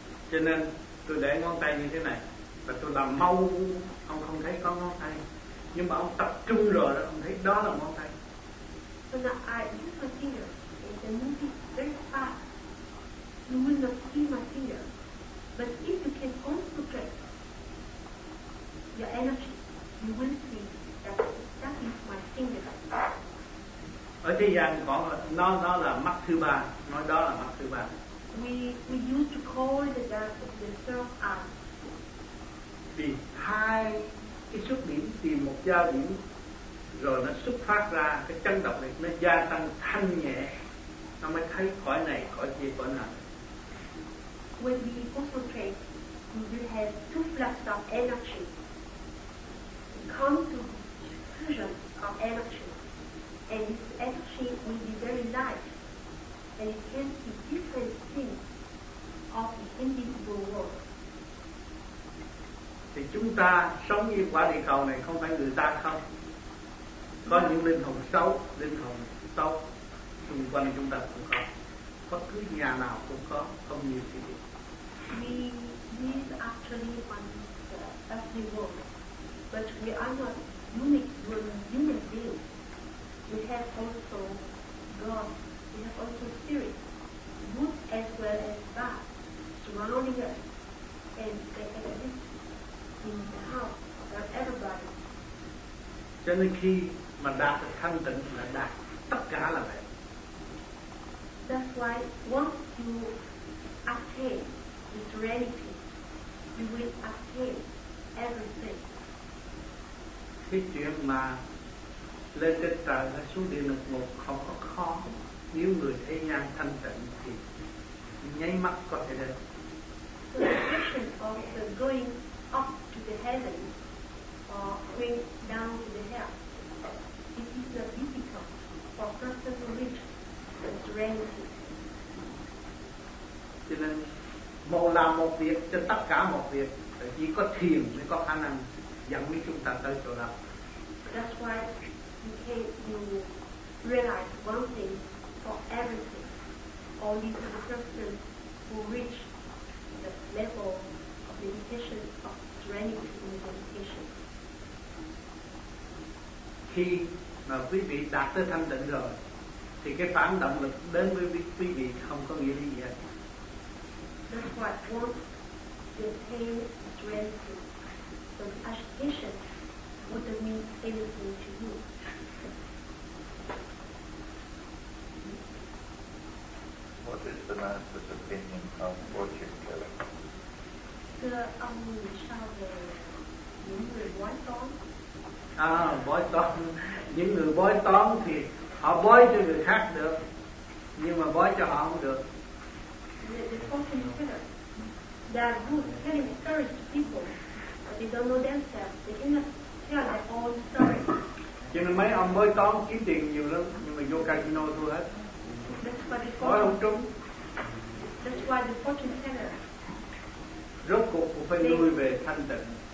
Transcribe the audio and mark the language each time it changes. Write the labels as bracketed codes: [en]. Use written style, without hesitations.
[vi] Cho nên tôi để ngón tay như thế này và tôi làm mau, ông không thấy có ngón tay. Nhưng mà ông tập trung rồi đó, ông thấy đó là ngón tay. [en] So now I use my finger and then move it very fast. You will not see my finger. But if you can concentrate your energy, you will see that that is my finger. [vi] Ở thế gian có nó là mắt thứ ba, nói đó là mắt thứ ba. [en] We used to call the dance of the third eye. [vi] Vì hai cái xuất điểm tìm một giao điểm rồi nó xuất phát ra cái chấn động này, nó gia tăng thanh nhẹ, nó mới thấy khỏi này khỏi kia khỏi nào. [en] When we concentrate, we will have two flux of energy come to fusion of energy, and this energy will be very light, and it can see different things of the invisible world. [vi] Thì chúng ta sống như quả địa cầu này không phải người ta không. Có những linh hồn xấu xung quanh chúng ta cũng có. Bất cứ nhà nào cũng có, không nhiều gì. [en] We live actually on this earthly world, but we are not unique human beings. We have also God, we have also spirit, good as well as bad, surrounding us, and they exist in the house of everybody. [vi] Cho nên khi mà đạt được thanh tịnh là đạt tất cả là vậy. [en] That's why once you attain the serenity, you will attain everything. [vi] Cái chuyện mà lên trên trời hay xuống địa ngục một không có khó. Nếu người thế gian thanh tịnh thì nháy mắt có thể lên. [en] So the question of going up to the heaven or going down to the hell, it is not difficult for person to reach the serenity. [vi] Cho nên một làm một việc cho tất cả một việc, chỉ có thiền mới có khả năng dẫn với chúng ta tới chỗ đó. [en] That's why you can realize one thing for everything. Only the person who reach the level of meditation of serenity in meditation. [vi] Khi mà quý vị đạt tới thanh tịnh rồi thì cái phản động lực đến với quý vị không có nghĩa lý gì hết. [en] That's why once you attain serenity, the agitation wouldn't mean anything to you. What is the master's opinion of fortune telling? The shall the bói toán. [vi] Bói toán. Những người bói toán thì họ bói cho người khác được, nhưng mà bói cho họ không được. [en] The fortune tellers, they are good, they can encourage people, but they don't know themselves. They cannot tell their own story. [vi] Cho nên mấy ông bói toán kiếm tiền nhiều lắm, nhưng mà vô casino thua hết. Bói không trúng. [en] That's why the fortune tellers. [vi] Rốt cuộc cũng phải nuôi về thanh tịnh.